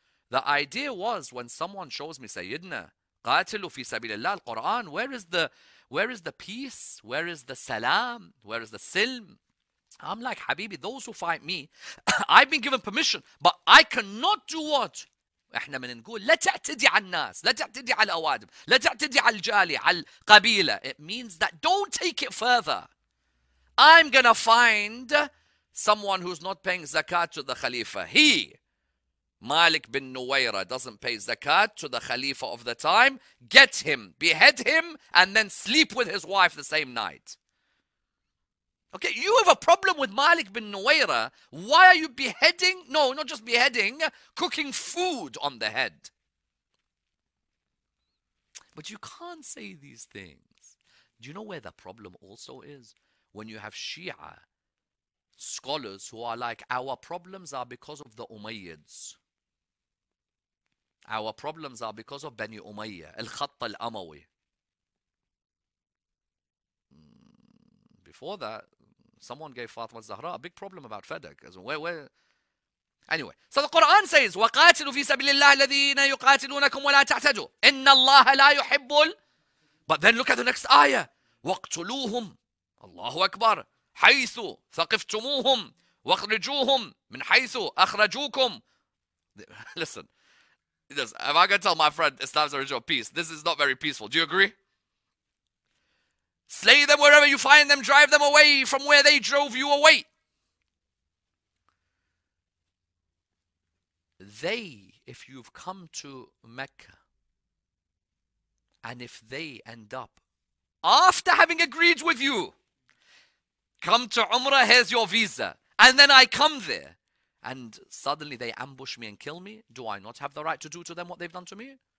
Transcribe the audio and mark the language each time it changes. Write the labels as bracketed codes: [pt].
[en] The idea was when someone shows me, Sayyidina, [ar] قاتلوا في سبيل الله القرآن, [en] where is the peace? Where is the salam? Where is the silm? I'm like, Habibi, those who fight me, I've been given permission, but I cannot do what? [ar] احنا من نقول لا تعتدي على الناس, لا تعتدي على الأوادم, لا تعتدي على الجالية, على القبيلة. [en] It means that don't take it further. I'm going to find someone who's not paying zakat to the Khalifa. He, Malik bin Nuwayra, doesn't pay zakat to the Khalifa of the time. Get him, behead him, and then sleep with his wife the same night. Okay, you have a problem with Malik bin Nuwayra. Why are you beheading? No, not just beheading, cooking food on the head. But you can't say these things. Do you know where the problem also is? When you have Shia scholars who are like, our problems are because of the Umayyads. Our problems are because of Bani Umayyah, Al-Khatt al-Amawi. Before that, someone gave Fatima Zahra a big problem about Fedak. As where? Anyway, so the Quran says, [ar] "وَقَاتِلُوا فِي سَبِيلِ اللَّهِ الَّذِينَ يُقَاتِلُونَكُمْ وَلَا تَعْتَدُوا إِنَّ اللَّهَ لَا يُحِبُّ الْ." [en] But then look at the next ayah, [ar] "وَاقْتُلُوهُمْ اللَّهُ أَكْبَرُ حَيْثُ ثَقِفْتُمُوهُمْ وَأَخْرِجُوهُمْ مِنْ حَيْثُ أَخْرَجُوكُمْ." [en] Listen, if I can tell my friend Islam's original peace, this is not very peaceful. Do you agree? Slay them wherever you find them, drive them away from where they drove you away. They, if you've come to Mecca, and if they end up, after having agreed with you, come to Umrah, here's your visa, and then I come there, and suddenly they ambush me and kill me, do I not have the right to do to them what they've done to me?